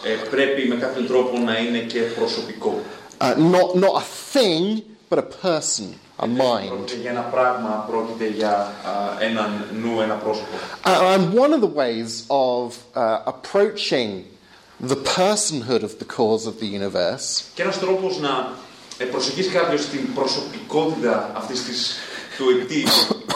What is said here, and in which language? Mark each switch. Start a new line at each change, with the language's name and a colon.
Greek: Πρέπει με κάποιον τρόπο να είναι και προσωπικό.
English: Not a thing, but a person, a mind.
Greek: Πρόκειται για ένα πράγμα, πρόκειται για έναν νου, ένα πρόσωπο.
English: And one of the ways of approaching the personhood of the cause of the universe.
Greek: Και ένας τρόπος να προσεγγίσει κάποιος την προσωπικότητα αυτής της του αιτίου.